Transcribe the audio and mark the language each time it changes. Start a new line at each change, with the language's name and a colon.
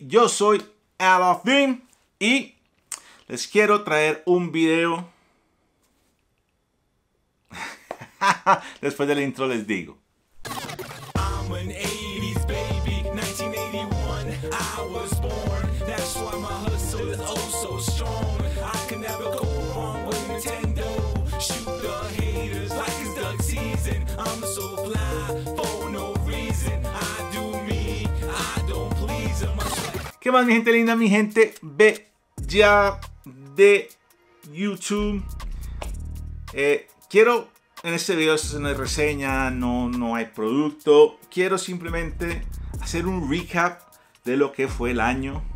Spanish: Yo soy Alafim y les quiero traer un video. Después del intro les digo.
English: I'm an 80s baby, 1981. I was born, that's why my hustle is oh so strong. I can never go wrong with Nintendo. Shoot the haters like it's duck season. I'm so fly for no reason. I do me, I don't please them.
Spanish: ¿Qué más, mi gente linda, mi gente bella de YouTube? Quiero. En este video esto es una reseña, no hay producto. Quiero simplemente hacer un recap de lo que fue el año.